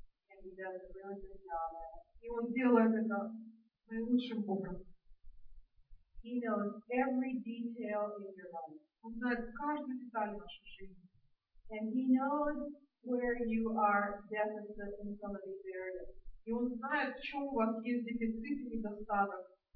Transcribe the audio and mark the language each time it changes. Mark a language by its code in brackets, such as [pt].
[en] And he does a really good job at it. [ru] И он делает это наилучшим образом. [en] He knows every detail in your life. [ru] Он знает каждую деталь вашей жизни. [en] And he knows where you are deficit in some of these areas. [ru] И он знает, в чем у вас есть дефицит и недостаток.